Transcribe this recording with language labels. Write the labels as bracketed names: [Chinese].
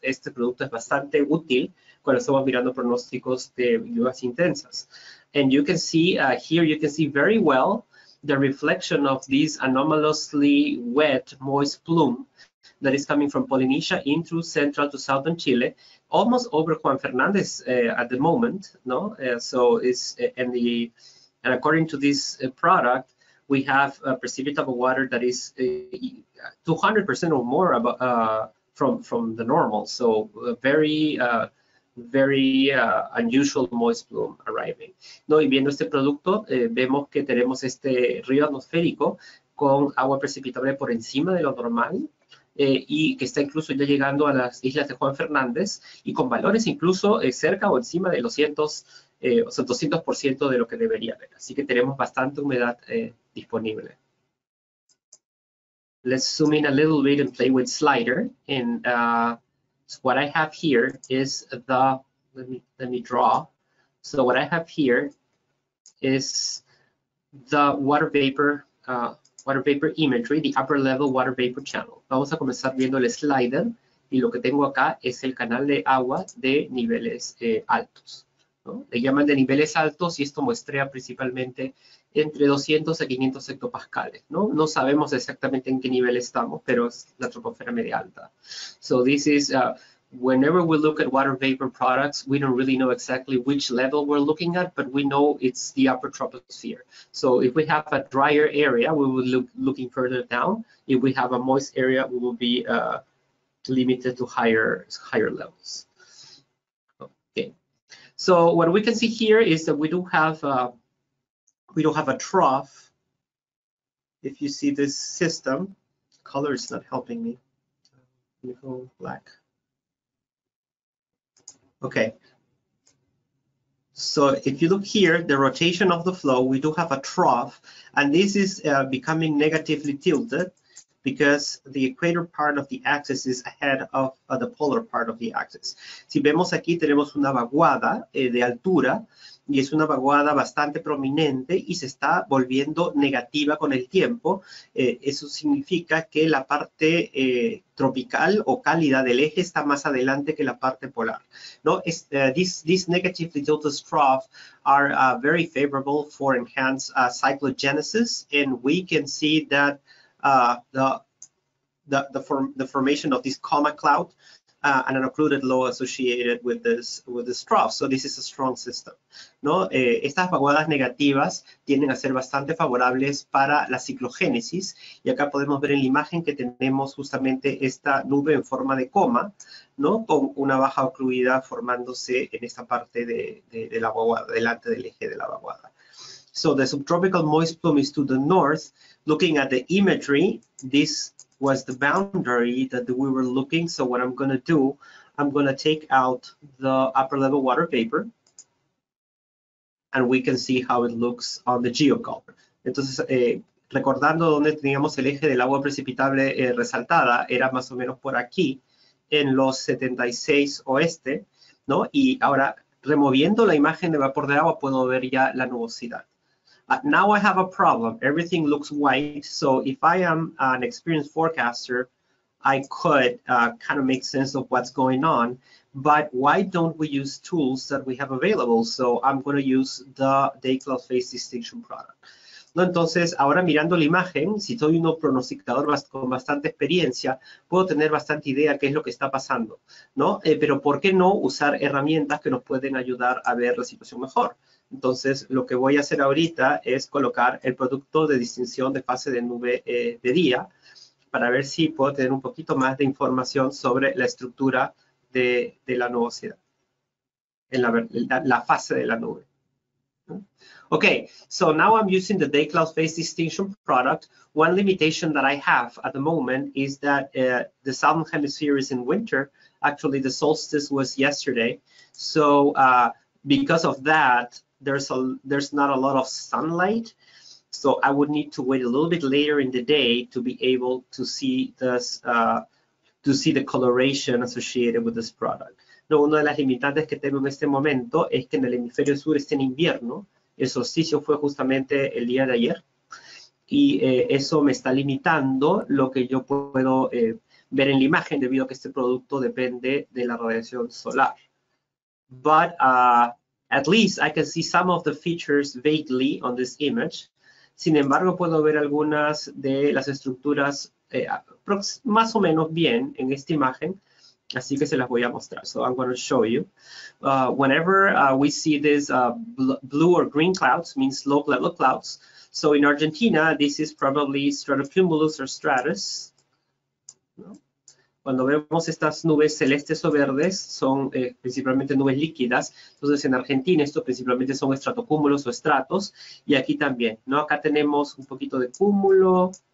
[Spanish] Este producto es bastante útil cuando estamos mirando pronósticos de lluvias intensas. [English] And you can see here, you can see very well the reflection of this anomalously wet moist plume that is coming from Polynesia into central to southern Chile, almost over Juan Fernandez at the moment. No, so it's and according to this product, we have a precipitable water that is 200% or more from the normal. So very unusual moist plume arriving. [Spanish] No, y viendo este producto, vemos que tenemos este río atmosférico con agua precipitable por encima de lo normal y que está incluso ya llegando a las islas de Juan Fernández y con valores incluso cerca o encima de los 200% de lo que debería haber. Así que tenemos bastante humedad disponible. [English] Let's zoom in a little bit and play with slider. And so what I have here is the, let me draw. So what I have here is the water vapor imagery, the upper level water vapor channel. [Spanish] Vamos a comenzar viendo el slider y lo que tengo acá es el canal de agua de niveles altos. ¿No? Le llaman de niveles altos y esto muestrea principalmente entre 200 a 500 hectopascales. ¿No? No sabemos exactamente en qué nivel estamos, pero es la troposfera media alta. [English] So this is, whenever we look at water vapor products, we don't really know exactly which level we're looking at, but we know it's the upper troposphere. So if we have a drier area, we will look looking further down. If we have a moist area, we will be limited to higher levels. So what we can see here is that we do have a trough. If you see this system, color is not helping me. Let me go black. Okay. So if you look here, the rotation of the flow, we do have a trough, and this is becoming negatively tilted because the equator part of the axis is ahead of the polar part of the axis. [Spanish] Si vemos aquí, tenemos una vaguada de altura y es una vaguada bastante prominente y se está volviendo negativa con el tiempo. Eso significa que la parte tropical o cálida del eje está más adelante que la parte polar. [English] No, these negatively tilted troughs are very favorable for enhanced cyclogenesis, and we can see that the formation of this coma cloud and an occluded low associated with this trough. So this is a strong system. [Spanish] No, estas vaguadas negativas tienden a ser bastante favorables para la ciclogénesis. Y acá podemos ver en la imagen que tenemos justamente esta nube en forma de coma, no, con una baja ocluida formándose en esta parte de la vaguada, delante del eje de la vaguada. [English] So the subtropical moist plume is to the north. Looking at the imagery, this was the boundary that we were looking. So what I'm going to do, I'm going to take out the upper level water vapor. And we can see how it looks on the geocolor. [Spanish] Entonces, recordando donde teníamos el eje del agua precipitable resaltada, era más o menos por aquí, en los 76 oeste, ¿no? Y ahora, removiendo la imagen de vapor de agua, puedo ver ya la nubosidad. [English] Now I have a problem. Everything looks white. So if I am an experienced forecaster, I could kind of make sense of what's going on. But why don't we use tools that we have available? So I'm going to use the day cloud phase distinction product. [Spanish] No, entonces, ahora mirando la imagen, si soy un pronosticador con bastante experiencia, puedo tener bastante idea qué es lo que está pasando, ¿no? Pero ¿por qué no usar herramientas que nos pueden ayudar a ver la situación mejor? Entonces, lo que voy a hacer ahorita es colocar el producto de distinción de fase de nube de día para ver si puedo tener un poquito más de información sobre la estructura de la nubosidad, en la fase de la nube. [English] Okay, so now I'm using the day cloud phase distinction product. One limitation that I have at the moment is that the southern hemisphere is in winter. Actually, the solstice was yesterday. So because of that, there's not a lot of sunlight. So I would need to wait a little bit later in the day to be able to see this, to see the coloration associated with this product. [Spanish] No, una de las limitantes que tengo en este momento es que en el hemisferio sur está en invierno. El solsticio fue justamente el día de ayer. Y eso me está limitando lo que yo puedo ver en la imagen debido a que este producto depende de la radiación solar. [English] But at least I can see some of the features vaguely on this image. [Spanish] Sin embargo, puedo ver algunas de las estructuras más o menos bien en esta imagen. Así que se las voy a mostrar. [English] So I'm going to show you. Whenever we see this blue or green clouds, means low level clouds. So in Argentina, this is probably stratocumulus or stratus. [Spanish] ¿No? Cuando vemos estas nubes celestes o verdes, son principalmente nubes líquidas. Entonces en Argentina, esto principalmente son estratocúmulos o estratos. Y aquí también, ¿no? Acá tenemos un poquito de cúmulo,